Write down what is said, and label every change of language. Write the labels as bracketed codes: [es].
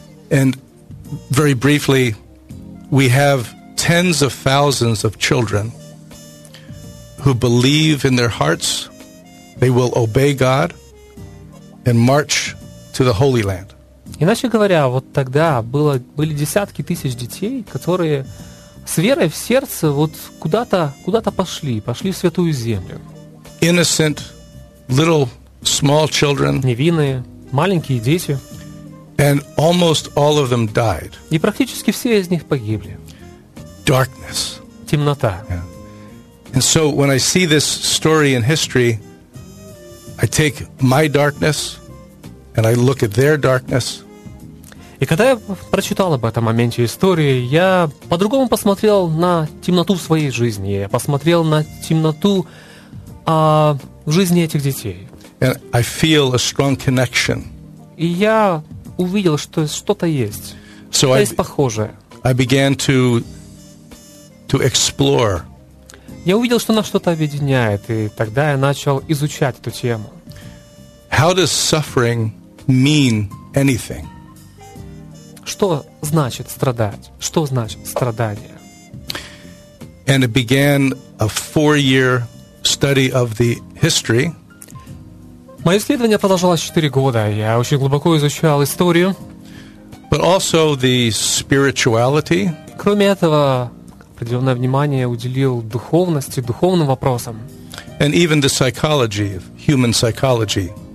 [en] And very briefly, we have tens of thousands of children who believe in their hearts they will obey God and march to the Holy Land. [ru] Иначе говоря, вот тогда были десятки тысяч детей, которые с верой в сердце вот куда-то пошли в Святую Землю. [en] Innocent, little, small children. [ru] Невинные, маленькие дети. [en] And almost all of them died. [ru] И практически все из них погибли. [en] Darkness. [ru] Темнота. [en] Yeah. And so when I see this story in history, I take my darkness and I look at their darkness. [ru] И когда я прочитал об этом моменте истории, я по-другому посмотрел на темноту в своей жизни. Я посмотрел на темноту в жизни этих детей. [en] And I feel a strong connection. [ru] И я увидел, что что-то есть. [en] So [ru] что есть похожее. [en] I began to explore. [ru] Я увидел, что нас что-то объединяет, и тогда я начал изучать эту тему. [en] How does suffering mean anything? [ru] Что значит страдать? Что значит страдание? [en] And it began a 4-year study of the history. [ru] Мое исследование продолжалось 4 года. Я очень глубоко изучал историю. [en] But also the spirituality. [ru] Кроме этого, определенное внимание уделил духовности, духовным вопросам. [en] And even the psychology, human psychology.